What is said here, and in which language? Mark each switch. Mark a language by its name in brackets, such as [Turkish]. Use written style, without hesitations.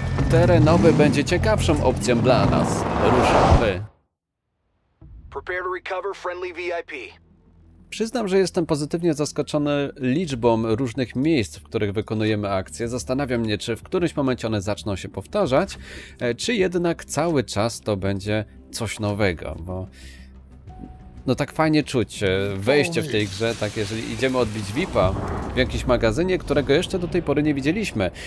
[Polish] Terenowy będzie ciekawszą opcją dla nas. Ruszamy. [English] Prepare to recover friendly VIP. [Polish] Przyznam, że jestem pozytywnie zaskoczony liczbą różnych miejsc, w których wykonujemy akcje. Zastanawiam się, czy w którymś momencie one zaczną się powtarzać, czy jednak cały czas to będzie coś nowego, bo... No tak fajnie czuć wejście w tej grze, tak jeżeli idziemy odbić VIP-a w jakimś magazynie, którego jeszcze do tej pory nie widzieliśmy.